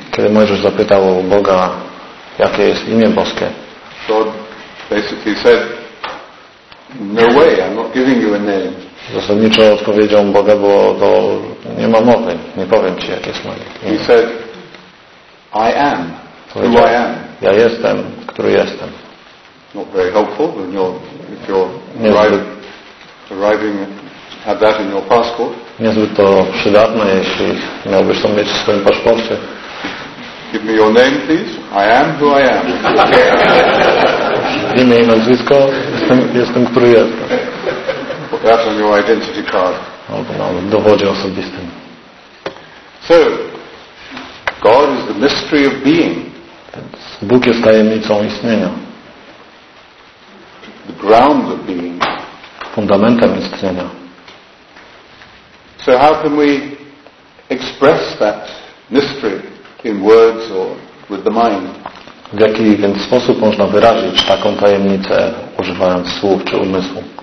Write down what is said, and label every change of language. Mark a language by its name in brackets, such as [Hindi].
[Polish] Kiedy Mojżesz zapytał Boga, jakie jest imię Boskie? [English] God basically said, no way, I'm not giving you a name. [Polish] Zasadniczo odpowiedzią Boga było, to nie ma mowy, nie powiem ci, jakie jest moje imię. [English] He said, I am, who I am. [Polish] Ja jestem, który jestem. [English] Not very helpful when you're [Polish] nie [English] arriving at that in your passport. [Polish] Niezbyt to przydatne, jeśli miałbyś to mieć w swoim paszporcie. [English] Give me your name, please. I am who I am. [Polish] Imię i nazwisko. Jestem, który jestem. [English] Put that on your identity card. [Polish] Albo na dowodzie osobistym. [English] So, God is the mystery of being. [Polish] Bóg jest tajemnicą istnienia. [English] The ground of being. [Polish] Fundamentem istnienia. [English] So how can we express that mystery in words or with the mind? [Polish] W jaki więc sposób można wyrazić taką tajemnicę, używając słów czy umysłu?